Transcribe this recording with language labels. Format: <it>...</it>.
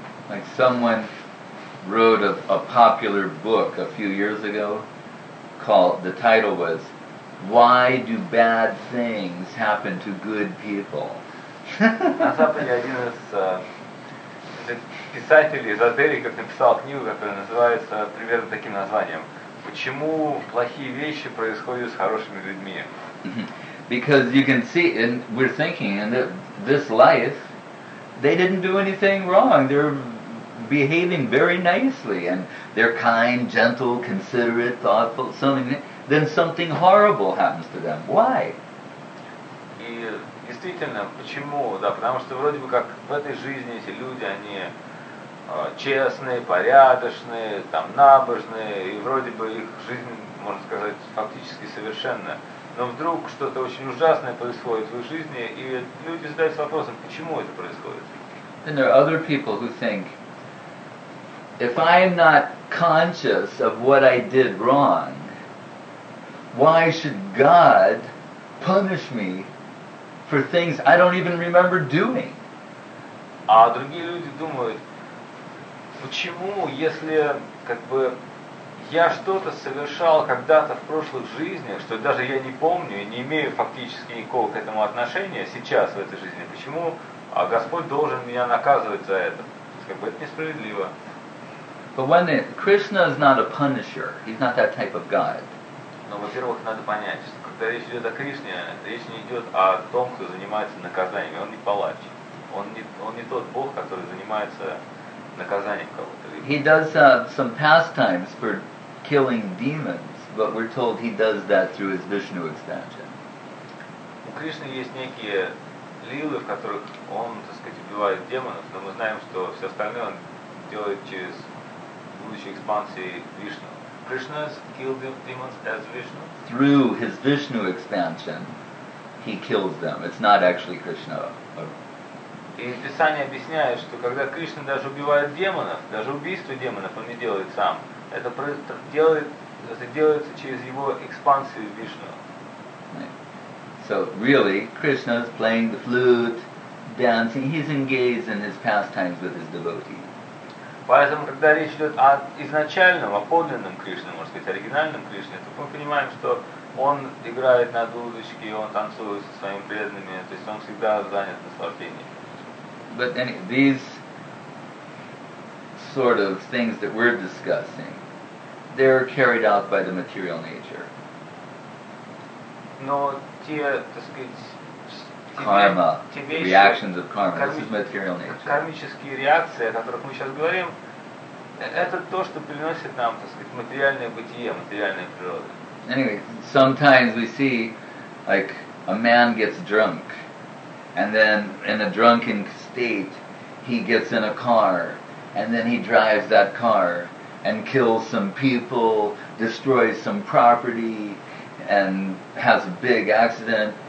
<en>Like someone wrote a popular book a few years ago called, the title was Why Do Bad Things Happen to Good People?</en> <ru>На Западе один из писатель, эзотерик, как написал книгу, которая называется примерно таким названием. Почему плохие вещи происходят с хорошими людьми?</ru> <en>Because you can see, and we're thinking, and this life, they didn't do anything wrong. They're behaving very nicely, and they're kind, gentle, considerate, thoughtful, something. Then something horrible happens to them. Why?</en> <ru>И действительно, почему? Да, потому что вроде бы как в этой жизни эти люди, они честные, порядочные, там набожные, и вроде бы их жизнь, можно сказать, фактически совершенна. Но вдруг что-то очень ужасное происходит в их жизни, и люди задаются вопросом, почему это происходит?</ru> <en>Then there are other people who think, if I'm not conscious of what I did wrong, why should God punish me for things I don't even remember doing?</en> <ru>А другие люди думают, почему, если как бы я что-то совершал когда-то в прошлых жизнях, что даже я не помню и не имею фактически никакого к этому отношения сейчас в этой жизни, почему Господь должен меня наказывать за это? То есть, как бы это несправедливо.</ru> <en>But when Krishna is not a punisher, he's not that type of God.</en> <ru>Но, во-первых, надо понять, что когда речь идет о Кришне, речь не идет о том, кто занимается наказанием. Он не палач. Он не тот Бог, который занимается наказанием кого-то.</ru> <en>He does some pastimes for killing demons, but we're told he does that through his Vishnu expansion.</en> <ru>У Кришны есть некие лилы, в которых он, так сказать, убивает демонов, но мы знаем, что все остальное он делает через будущей экспансии Вишну.</ru> <en>Krishna has killed demons as Vishnu. Through his Vishnu expansion, he kills them. It's not actually Krishna.</en> <ru>И Писание объясняет, что когда Кришна даже убивает демонов, даже убийство демонов он не делает сам. Это делается через его экспансию Вишну.</ru> <en>So really, Krishna is playing the flute, dancing. He's engaged in his pastimes with his devotees.</en> <ru>Поэтому, когда речь идет о изначальном, о подлинном Кришне, можно сказать, оригинальном Кришне, то мы понимаем, что он играет на дудочке, он танцует со своими преданными, то есть он всегда занят наслаждением.</ru> <en>But these sort of things that we're discussing, they're carried out by the material nature.</en> <ru>Но те, так сказать,</ru> <en>karma, reactions of karma. This is material nature.</en> <ru>Кармические реакции, о которых мы сейчас говорим, это то, что приносит нам, так сказать, материальное бытие, материальная природа.</ru> <en>Anyway, sometimes we see, like, a man gets drunk, and then in a drunken state, he gets in a car, and then he drives that car and kills some people, destroys some property, and has a big accident.</en>